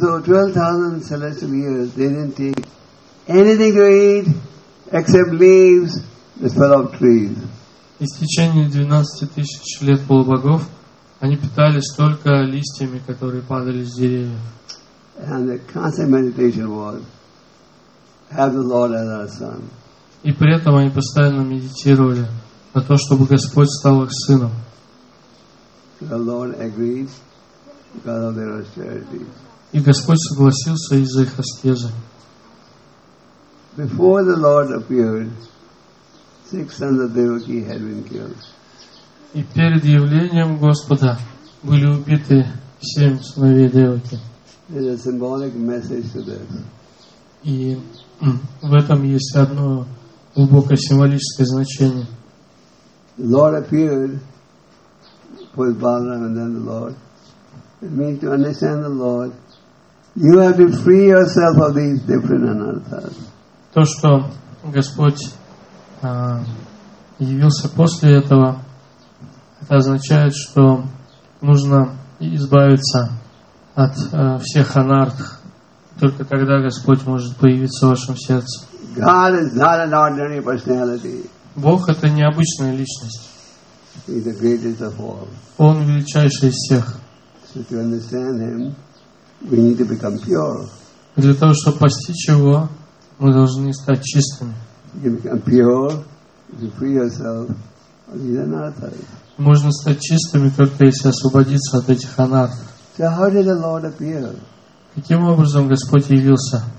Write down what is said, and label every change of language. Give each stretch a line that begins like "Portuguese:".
English: For 12,000 celestial years, they didn't take anything to eat except leaves that fell off trees. In the
Russian: течение 12,000 лет полубогов, они питались только листьями, которые падали с деревьев.
English: And the constant meditation was, have the Lord as our son.
Russian: И при этом они постоянно медитировали на то, чтобы Господь стал их сыном.
English: The Lord agreed because of their austerity.
Russian: И Господь согласился из-за их аскезы.
English: Before the Lord appeared, 6 sons of Devaki had been killed.
Russian: И перед явлением Господа были убиты 7 сыновей Деваки.
English: There's a symbolic message to this.
Russian: И в этом есть одно глубокое символическое значение.
English: The Lord appeared for his Balaram and then the Lord. It means to understand the Lord. You have to free yourself of these different anarthas.
Russian: То, что Господь явился после этого, это означает, что нужно избавиться от всех анартх. Только тогда Господь может появиться в вашем сердце.
English: God is not an ordinary personality.
Russian: Бог — это необычная личность.
English: He's the greatest of all.
Russian: Он величайший из всех.
English: So to understand him, we need to become pure.
Russian: Для того, чтобы постичь его, мы должны стать чистыми.
English: You become pure to free yourself of these anarthas.
Russian: Можно стать чистыми, только если освободиться от этих анартх.
English: So how did the Lord appear?
Russian: Каким образом Господь явился?